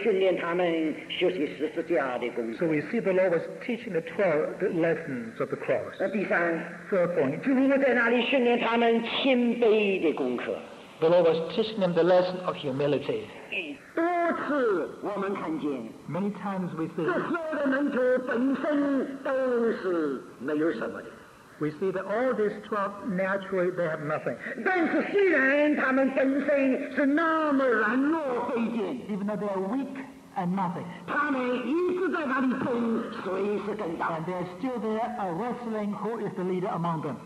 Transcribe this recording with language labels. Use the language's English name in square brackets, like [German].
[Chinese] 所以我们在四福音看见主在那里训练他们学习十字架的功课。 [English] So we see the Lord was teaching the 12 lessons of the cross. [Chinese] 那第三, [English] third point, [Chinese] 主在那里训练他们谦卑的功课。 [English] The Lord was teaching them the lesson of humility. [Chinese] 多次我们看见, [English] many times we see, [Chinese] 这所有的能者本身都是没有什么的。 [English] We see that all these 12, naturally, they have nothing. [Chinese] 但是虽然他们本身是那么软弱卑贱, [English] even though they are weak and nothing, [Chinese] 他们一直在那里争, 谁是更大, [English] and they are still there, wrestling who is the leader among them.